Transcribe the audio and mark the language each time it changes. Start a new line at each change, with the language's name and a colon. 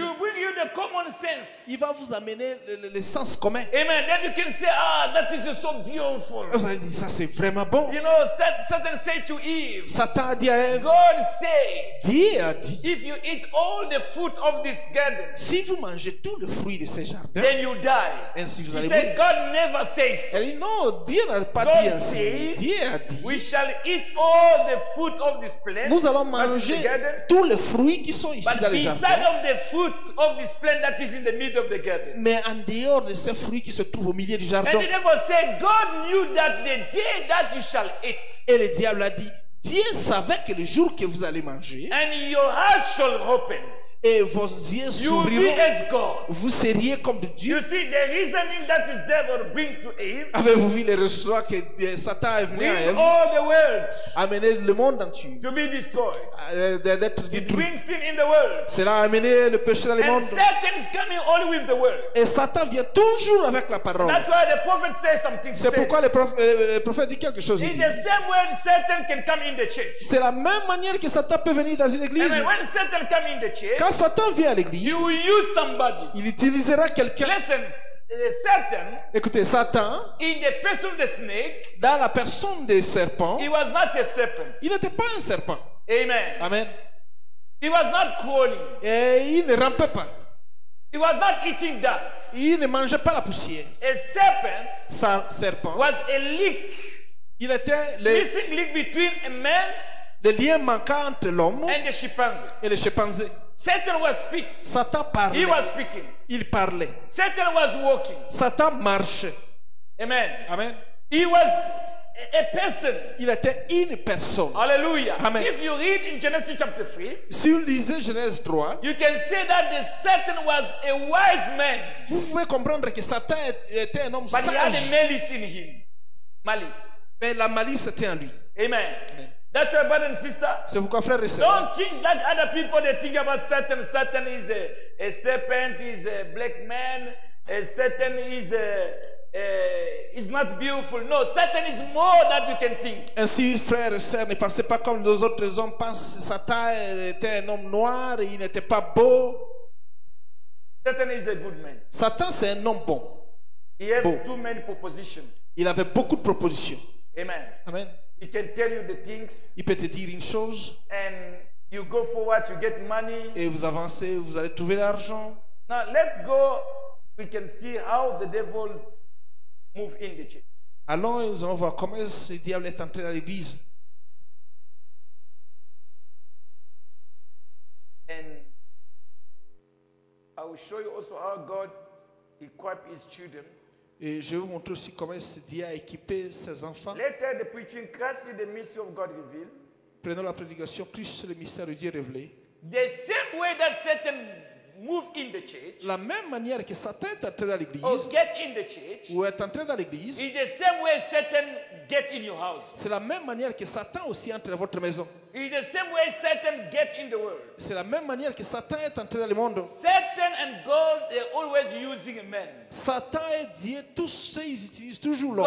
English: You bring you the common sense.
French: Il va vous amener le sens commun. Amen.
English: Then you can say, ah, that is so beautiful.
French: Vous allez dire, ça c'est vraiment bon.
English: You know, Satan said to Eve.
French: Satan a dit à Eve.
English: God said.
French: Dieu a dit.
English: If you eat all the fruit of this garden.
French: Si vous mangez tout le fruit de ce jardin.
English: Then you die.
French: Ainsi vous allez mourir.
English: He said, God never says.
French: Elle dit non, Dieu n'a pas
English: God
French: dit ainsi.
English: Said,
French: Dieu a dit.
English: We shall eat all the fruit of this plant.
French: Nous allons manger tous les fruits qui sont ici dans le jardin.
English: Of the fruit of this plant that is in the middle of the garden.
French: Mais en dehors de ces fruits qui se trouvent au milieu du jardin.
English: And the devil said, God knew that the day that you shall eat.
French: Et le diable a dit, Dieu savait que le jour que vous allez manger.
English: And your heart shall open.
French: Et vos yeux s'ouvriront. Vous seriez comme Dieu.
English: You see the reasoning that his devil bring to Eve.
French: Avez-vous vu les raisons que Satan a venu à Eve?
English: All the world.
French: Amener le monde entier.
English: To be destroyed.
French: D'être détruit.
English: It brings sin in the world.
French: Cela a amené le péché dans le monde.
English: And Satan is coming only with the word.
French: Et Satan vient toujours avec la parole.
English: That's why the prophet says something.
French: C'est pourquoi le prophète dit quelque chose.
English: In the same way Satan can come in the church.
French: C'est la même manière que Satan peut venir dans une église.
English: And when Satan come in the church.
French: Quand Satan vient à l'église, il utilisera quelqu'un.
English: Listen, Satan,
French: écoutez, Satan,
English: in the person of the snake,
French: dans la personne des serpents,
English: he was not a serpent.
French: Il n'était pas un serpent. Amen. Amen.
English: He was not crawling.
French: Et il ne rampait pas.
English: He was not eating dust.
French: Il ne mangeait pas la poussière.
English: A serpent,
French: serpent
English: was a leak.
French: Il était le
English: missing link between a man,
French: le lien manquant entre l'homme
English: and the chimpanzee.
French: Et le chimpanzé.
English: Satan was speaking.
French: Satan parlait.
English: He was speaking.
French: Il parlait.
English: Satan was walking.
French: Satan marchait. Amen. Amen.
English: He was a person.
French: Il était une personne. Hallelujah. Amen.
English: If you read in Genesis chapter 3,
French: si vous lisez Genèse 3,
English: you can say that the Satan was a wise man.
French: Vous pouvez comprendre que Satan était un homme
English: but
French: sage.
English: But he had a malice in him. Malice.
French: Mais la malice était en lui.
English: Amen. Amen. That's why, brother and sister.
French: C'est pourquoi, frère et sœur.
English: Don't think like other people. They think about Satan. Satan is a serpent. Is a black man. Satan is a is not beautiful. No, Satan is more than you can think.
French: Ainsi, frère et sœur, ne pensez pas comme les autres hommes pensent. Satan était un homme noir. Il n'était pas beau.
English: Satan is a good man.
French: Satan c'est un homme bon.
English: He had too many propositions.
French: Il avait beaucoup de propositions. Amen. Amen.
English: He can tell you the things.
French: Il peut te dire une chose.
English: And you go forward, you get money.
French: Et vous avancez, vous allez trouver l'argent.
English: Now let go. We can see how the devil move in the church.
French: Allons, nous allons voir comment ce diable est entré dans l'église.
English: And I will show you also how God equipped his children.
French: Et je vais vous montrer aussi comment ce Dieu a équipé ses enfants.
English: Later, the preaching, Christ is the mystery of God revealed.
French: Prenons la prédication, Christ est le mystère de Dieu révélé.
English: The same way that Satan moved in the church.
French: La même manière que Satan est entré dans l'église.
English: Or get in the church.
French: Ou est entré dans l'église.
English: Is the same way Satan get in your house.
French: C'est la même manière que Satan aussi entre dans votre maison.
English: Is the same way Satan get in the world.
French: C'est la même manière que Satan est entré dans le monde.
English: Satan and God are always using men.
French: Satan et Dieu tous ils utilisent toujours l'homme.